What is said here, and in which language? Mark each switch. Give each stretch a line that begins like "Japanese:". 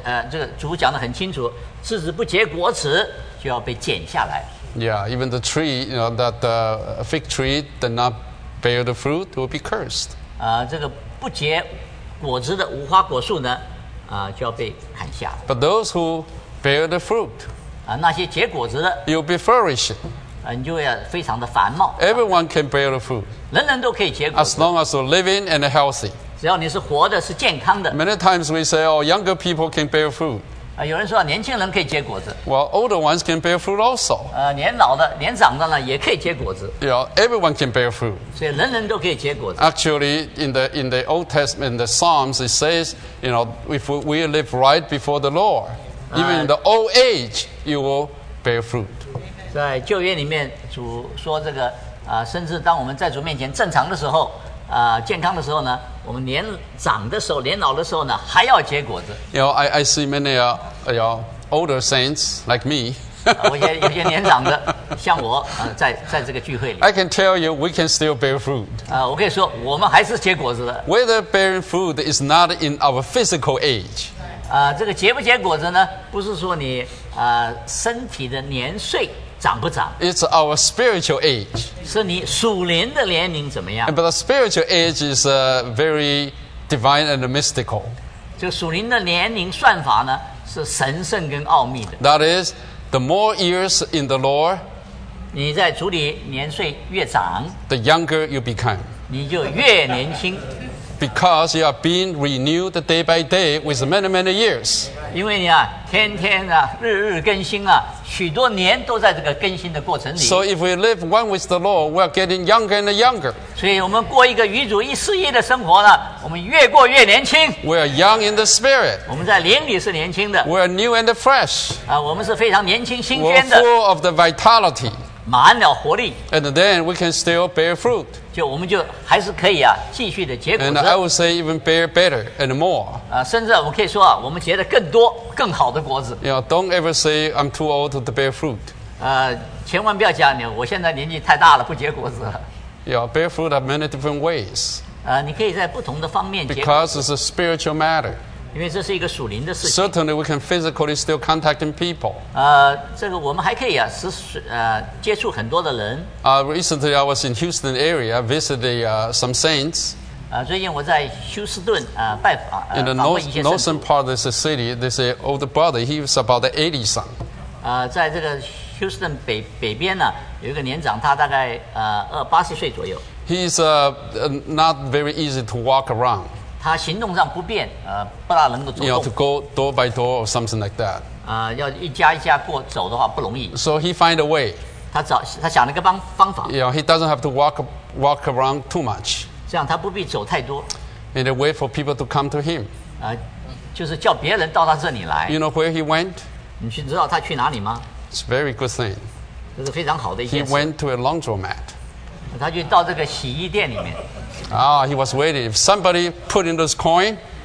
Chinese: 这个主讲得很清楚，枝子不结果子，就要被剪下来。
English: Yeah, even the tree, you know, that the fig tree did not bear the fruit will be cursed.
Chinese: 这个不结果子的无花果树呢，就要被砍下来。
English: But those who bear the fruit,
Chinese: 那些结果子的
English: you'll be flourishing.
Chinese: 你就要非常的繁茂。
English: Everyone can bear the fruit.
Chinese: 人人都可以结果子。
English: As long as you're living and healthy.
Chinese: 只要你是活的，是健康的。
English: Many times we say, oh, younger people can bear fruit.
Chinese: 有人说年轻人可以结果子。
English: Well, older ones can bear fruit also.
Chinese: 年老的、年长的呢，也可以结果子。
English: Yeah, everyone can bear fruit.
Chinese: 所以人人都可以结果子。
English: Actually, in the Old Testament, in the Psalms, it says, you know, if we live right before the Lord, even in the old age, you will bear fruit.
Chinese: 在旧约里面，主说这个甚至当我们在主面前正常的时候。健康的时候呢，我们年长的时候、年老的时候呢，还要结果子。
English: You know, I see many older saints like me.
Chinese: 有些年长的，像我，在这个聚会里。
English: I can tell you, we can still bear fruit.
Chinese: 我可以说，我们还是结果子的。
English: Whether bearing fruit is not in our physical age.
Chinese: 这个结不结果子呢，不是说你身体的年岁。长不长
English: It's our spiritual age.
Chinese: 是你属灵的年龄怎么样
English: But the spiritual age is very divine and mystical.
Chinese: 这属灵的年龄算法呢是神圣跟奥秘的
English: That is, the more years in the Lord,
Chinese: 你在主里年岁越长
English: the younger you become.
Chinese: 你就越年轻
English: Because you are being renewed day by day with many, many years.
Chinese: 因为你天天日日更新许多年都在这个更新的过程里。
English: So if we live one with the Lord, we are getting younger and younger.
Chinese: 所以我们过一个与主一世一的生活呢，我们越过越年轻。
English: We are young in the spirit.
Chinese: 我们在灵里是年轻的。
English: We are new and fresh.
Chinese: 我们是非常年轻新鲜的。
English: We are full of the vitality.
Chinese: 满了活力。
English: And then we can still bear fruit.
Chinese: 就我们就还是可以继续的结果子。
English: And I would say even bear better and more.
Chinese: 甚至我可以说我们结的更多更好的果子。
English: You know, don't ever say I'm too old to bear fruit.
Chinese: 千万不要讲你我现在年纪太大了不结果子了。
English: You know, bear fruit in many different ways.
Chinese: 你可以在不同的方面结果子。
English: Because it's a spiritual matter.
Chinese: 因为这是一个属灵的事情。
English: Certainly, we can physically still contacting people.
Chinese: 这个我们还可以接触很多的人。
English: Recently, I was in Houston area visiting some saints.
Chinese: 最近我在休斯顿拜访。
English: In the northern part of the city, there's an old brother. He was about 80 some.
Chinese: 在这个休斯顿北边呢，有一个年长，他大概八十岁左右。
English: He's not very easy to walk around.
Chinese: 他行动上不便，不大能够走动。
English: You know, to go door by door or something like that.
Chinese: 要一家一家过走的话不容易。
English: So he find a way.
Chinese: 他想了一个方法。
English: You know, he doesn't have to walk around too much.
Chinese: 这样他不必走太多。
English: And wait for people to come to him.
Chinese: 就是叫别人到他这里来。
English: You know where he went?
Chinese: 你知道他去哪里吗
English: ？It's a very good thing.
Chinese: 这是非常好的一件事。
English: He went to a laundromat.
Chinese: 他就到这个洗衣店里面。
English: He was waiting. If somebody put in this coin,